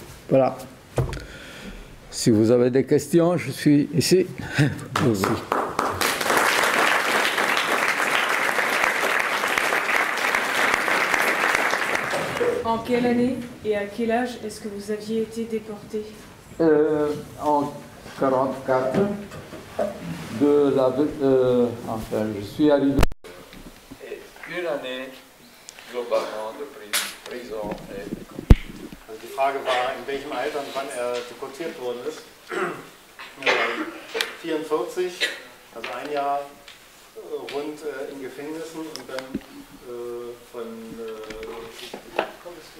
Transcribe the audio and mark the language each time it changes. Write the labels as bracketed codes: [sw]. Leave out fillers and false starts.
[fr] Voilà. Si vous avez des questions, je suis ici. Merci. En quelle année et à quel âge est-ce que vous aviez été déporté? En 44. Enfin, je suis arrivé. Et une année globalement de prison. [de] Also die Frage war, in welchem Alter und wann er deportiert worden ist. 44, also ein Jahr rund in Gefängnissen, und dann von